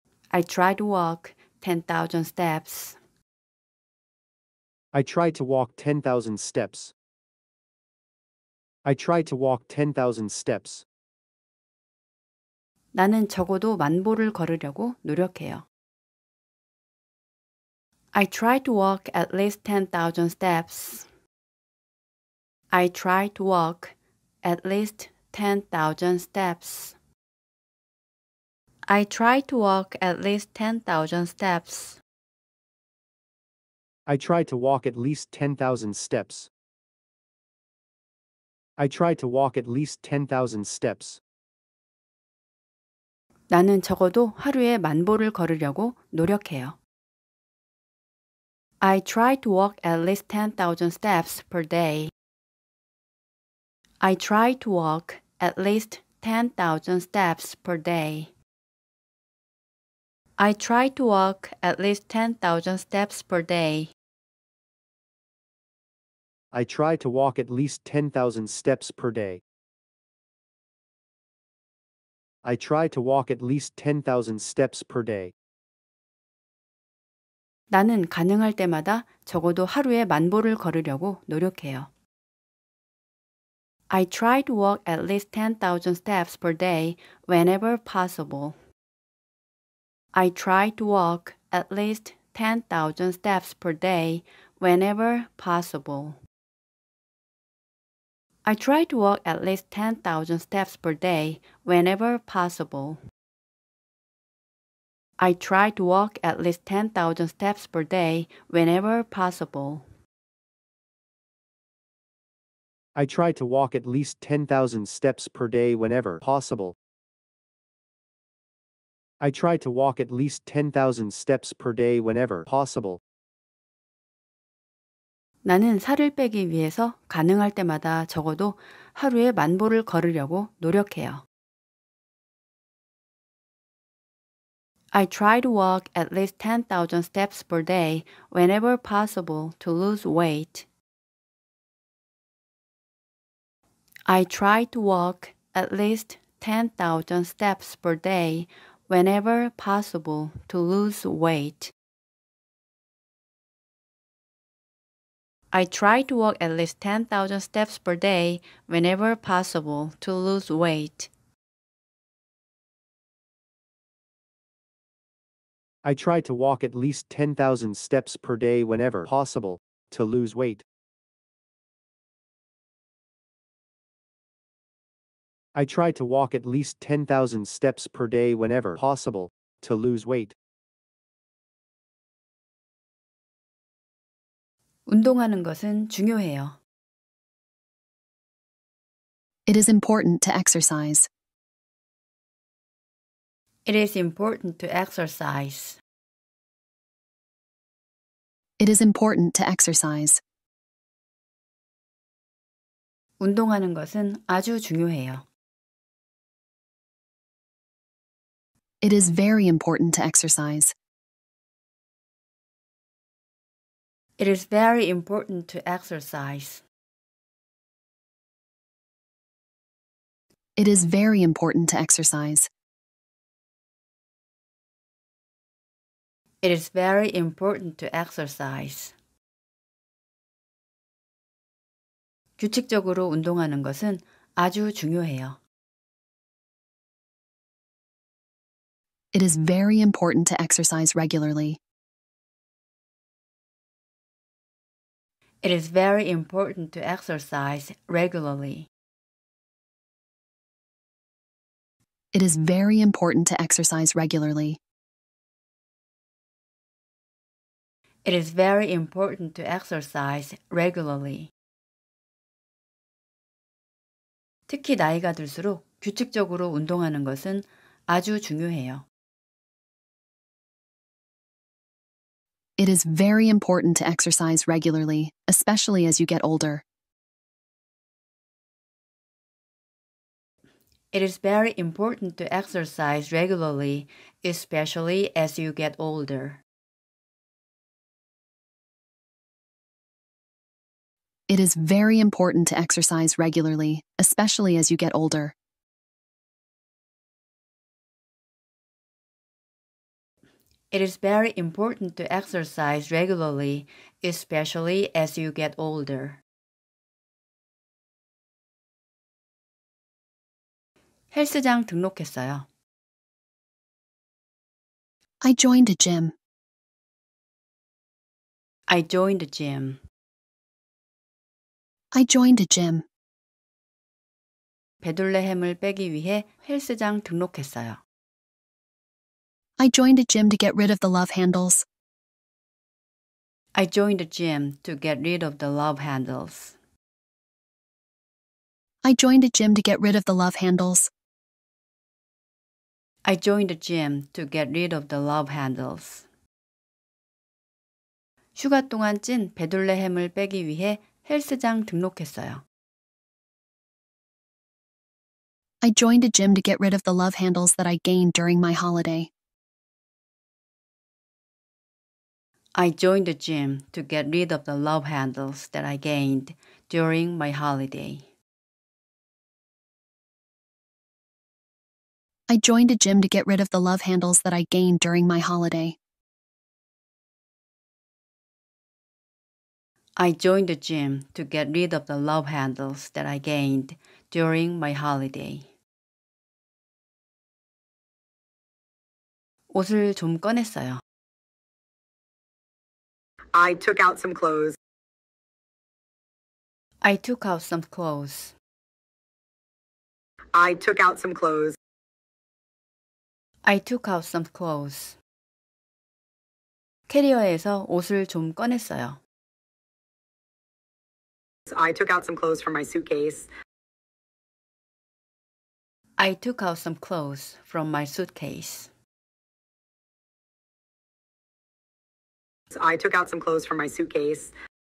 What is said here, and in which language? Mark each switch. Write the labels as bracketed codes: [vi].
[en] I try to walk 10,000 steps. I try to walk 10,000 steps. I try to walk 10,000 steps. [ko] 나는 적어도 만보를 걸으려고 노력해요. [en] I try to walk at least 10,000 steps. I try to walk at least 10,000 steps. I try to walk at least 10,000 steps. I try to walk at least 10,000 steps. I try to walk at least 10,000 steps. [ko] 나는 적어도 하루에 만보를 걸으려고 노력해요. [en] I try to walk at least 10,000 steps per day. I try to walk at least 10,000 steps per day. I try to walk at least 10,000 steps per day. I try to walk at least 10,000 steps per day. I try to walk at least 10,000 steps per day. [ko] 나는 가능할 때마다 적어도 하루에 만보를 걸으려고 노력해요. [en] I try to walk at least 10,000 steps per day whenever possible. I try to walk at least 10,000 steps per day whenever possible. I try to walk at least 10,000 steps per day whenever possible. I try to walk at least 10,000 steps per day whenever possible. I try to walk at least 10,000 steps per day whenever possible. I try to walk at least 10,000 steps per day whenever possible. [ko] 나는 살을 빼기 위해서 가능할 때마다 적어도 하루에 만보를 걸으려고 노력해요. [en] I try to walk at least 10,000 steps per day whenever possible to lose weight. I try to walk at least 10,000 steps per day whenever possible to lose weight. I try to walk at least 10,000 steps per day whenever possible to lose weight. I try to walk at least 10,000 steps per day whenever possible to lose weight. I try to walk at least 10,000 steps per day whenever possible to lose weight. [ko] 운동하는 것은 중요해요. [en] It is important to exercise. It is important to exercise. It is important to exercise. [ko] 운동하는 것은 아주 중요해요. [en] It is very important to exercise. It is very important to exercise. It is very important to exercise. It is very important to exercise. [ko] 규칙적으로 운동하는 것은 아주 중요해요. [en] It is very important to exercise regularly. It is very important to exercise regularly. It is very important to exercise regularly. It is very important to exercise regularly. [ko] 특히 나이가 들수록 규칙적으로 운동하는 것은 아주 중요해요. [en] It is very important to exercise regularly, especially as you get older. It is very important to exercise regularly, especially as you get older. It is very important to exercise regularly, especially as you get older. It is very important to exercise regularly, especially as you get older. [ko] 헬스장 등록했어요. [en] I joined a gym. I joined a gym. I joined a gym. [ko] 베들레헴을 빼기 위해 헬스장 등록했어요. [en] I joined a gym to get rid of the love handles. I joined a gym to get rid of the love handles. I joined a gym to get rid of the love handles. I joined a gym to get rid of the love handles. [ko] 휴가 동안 찐 베들레헴을 빼기 위해 헬스장 등록했어요. [en] I joined a gym to get rid of the love handles that I gained during my holiday. I joined the gym to get rid of the love handles that I gained during my holiday. I joined a gym to get rid of the love handles that I gained during my holiday. I joined the gym to get rid of the love handles that I gained during my holiday. [ko] 옷을 좀 꺼냈어요. [en] I took out some clothes. I took out some clothes. I took out some clothes. I took out some clothes. [ko] 캐리어에서 옷을 좀 꺼냈어요. [en] I took out some clothes from my suitcase. I took out some clothes from my suitcase. I took out some clothes from my suitcase.